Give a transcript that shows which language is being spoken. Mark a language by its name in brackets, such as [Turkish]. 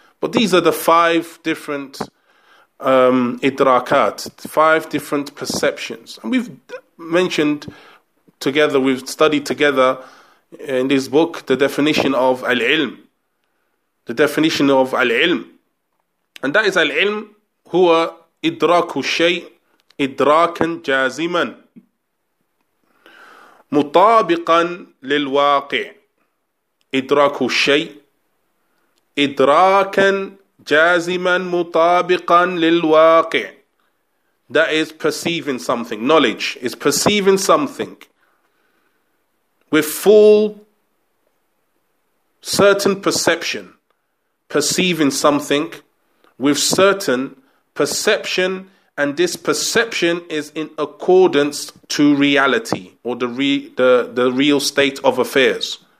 [English] But these are the five different idrakat, five different perceptions. And we've mentioned together, we've studied together in this book, the definition of al-ilm. The definition of al-ilm. And that is [Arabic] al-ilm huwa إدراك الشيء إدراكا جازما مطابقا للواقع، إدراك الشيء إدراكا جازما مطابقا للواقع. [English] That is perceiving something. Knowledge is perceiving something with full certain perception. Perceiving something with certain perception, and this perception is in accordance to reality or the real state of affairs.